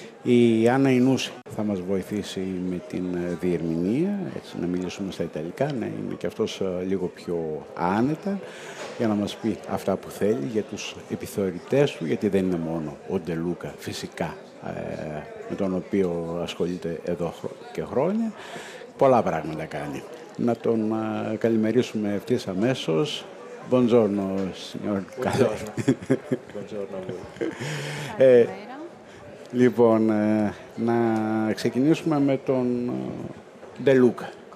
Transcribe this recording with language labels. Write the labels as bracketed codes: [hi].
[el] Η Άννα Ινούση θα μας βοηθήσει με την διερμηνία, έτσι να μιλήσουμε στα ιταλικά, να είμαι και αυτός λίγο πιο άνετα, για να μας πει αυτά που θέλει για τους επιθεωρητές του, γιατί δεν είναι μόνο ο Ντε Λούκα φυσικά, με τον οποίο ασχολείται εδώ και χρόνια, πολλά πράγματα κάνει. Να τον καλημερίσουμε ευθύς αμέσως. [it] Buongiorno, signor Carlo. Buongiorno. [el] Λοιπόν, να ξεκινήσουμε με τον Ντε Λούκα.